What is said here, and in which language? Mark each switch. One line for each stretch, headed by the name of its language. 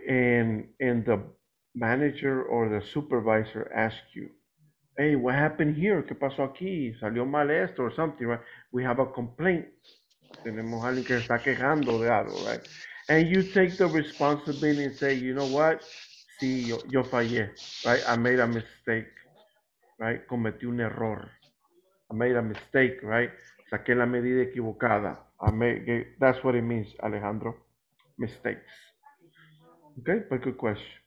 English: And the manager or the supervisor asks you, hey, what happened here?
Spanish: ¿Qué pasó aquí? ¿Salió mal esto?
English: Or something, right? We have a complaint.
Spanish: Tenemos alguien que está quejando de algo, right?
English: And you take the responsibility and say, you know what?
Spanish: Sí, yo fallé,
English: right? I made a mistake, right?
Spanish: Cometí un error.
English: I made a mistake, right? Saqué la medida equivocada. That's what it means, Alejandro. Mistakes. Okay, but good question.